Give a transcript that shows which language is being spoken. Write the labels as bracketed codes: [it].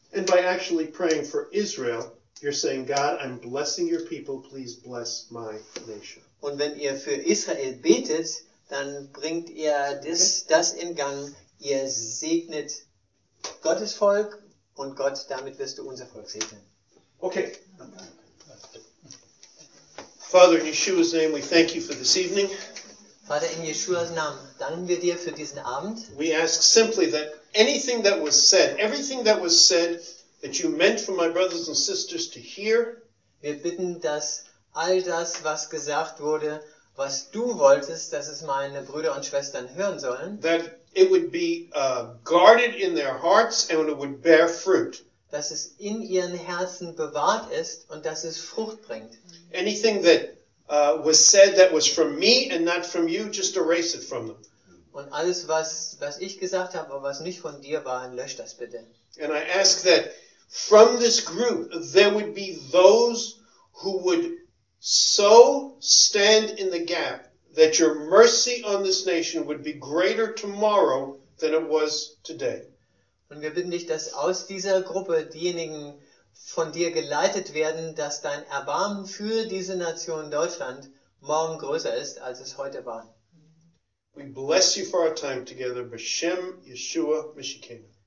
[en] And by actually praying for Israel, you're saying, God, I'm blessing your people, please bless my nation. [de] Und wenn ihr für Israel betet, dann bringt ihr das in Gang. Ihr segnet Gottes Volk und Gott, damit wirst du unser Volk segnen. [en] Okay. Father, in Yeshua's name, we thank you for this evening. [de] Vater, in Yeshuas Namen, danken wir dir für diesen Abend. [en] We ask simply that anything that was said, everything that was said, that you meant for my brothers and sisters to hear. [de] Wir bitten, dass all das, was gesagt wurde, was du wolltest, dass es meine Brüder und Schwestern hören sollen. [en] That it would be guarded in their hearts and it would bear fruit. [de] Dass es in ihren Herzen bewahrt ist und dass es Frucht bringt. [en] Anything that was said that was from me and not from you, just erase it from them. [de] Und alles, was ich gesagt habe, aber was nicht von dir war, lösch das bitte. [en] And I ask that from this group there would be those who would so stand in the gap that your mercy on this nation would be greater tomorrow than it was today. [de] Und wir bitten dich, dass aus dieser Gruppe diejenigen von dir geleitet werden, dass dein Erbarmen für diese Nation Deutschland morgen größer ist, als es heute war. [en] We bless you for our time together, [he] Beshem Yeshua Mishkenu.